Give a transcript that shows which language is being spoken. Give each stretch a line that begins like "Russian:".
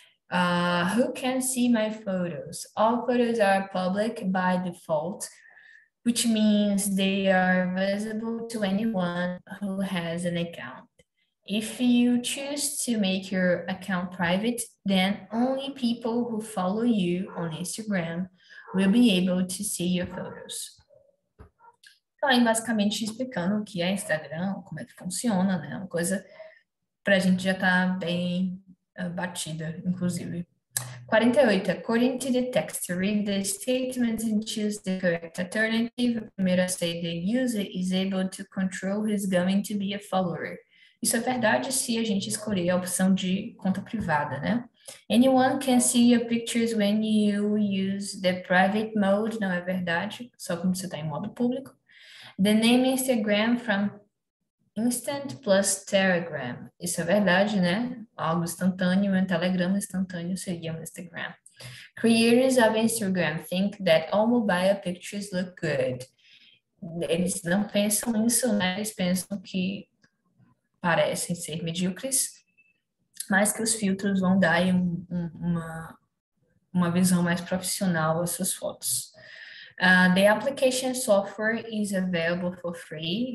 English: Who can see my photos? All photos are public by default, which means they are visible to anyone who has an account. If you choose to make your account private, then only people who follow you on Instagram will be able to see your photos.
Portuguese: Então, aí basicamente explicando o que é Instagram, como é que funciona, né? Uma coisa para a gente já tá bem batida, inclusive. 48.
English: According to the text, read the statement and choose the correct alternative. Primeiro, say the user is able to control who's going to be a follower.
Portuguese: Isso é verdade se a gente escolher a opção de conta privada, né?
English: Anyone can see your pictures when you use the private mode.
Portuguese: Não é verdade, só quando você está em modo público.
English: The name Instagram from Instant plus Telegram.
Portuguese: Isso é verdade, né? Algo instantâneo, um Telegram instantâneo seria um Instagram.
English: Creators of Instagram think that all mobile pictures look good.
Portuguese: Eles não pensam isso, né? Eles pensam que parecem ser medíocres, mas que os filtros vão dar aí uma visão mais profissional às suas fotos.
English: The application software is available for free.